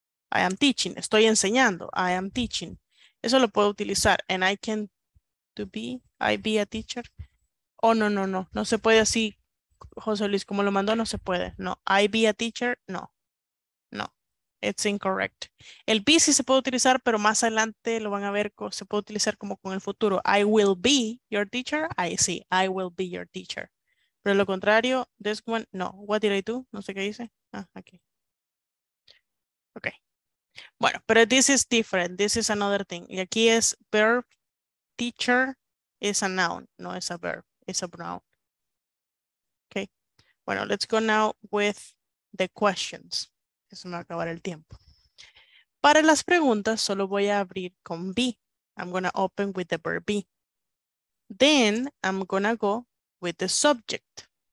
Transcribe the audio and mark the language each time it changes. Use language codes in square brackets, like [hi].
[en] I am teaching. [es] Estoy enseñando. [en] I am teaching. [es] Eso lo puedo utilizar. [en] And I can to be. I be a teacher. [es] Oh, no se puede así, José Luis, como lo mandó, no se puede. [en] No, I be a teacher, no, it's incorrect. [es] El be sí se puede utilizar, pero más adelante lo van a ver, se puede utilizar como con el futuro. [en] I will be your teacher, I see, I will be your teacher. [es] Pero lo contrario, this one, no. [en] What did I do? [es] No sé qué dice. Ah, aquí. Okay. Bueno, pero [en] this is different, this is another thing. Y aquí es verb, teacher is a noun, no es a verb. It's a noun. Okay. [es] Bueno, [en] let's go now with the questions. [es] Eso me va a acabar el tiempo. Para las preguntas, solo voy a abrir con be. [en] I'm going to open with the verb be. Then, I'm going to go with the subject.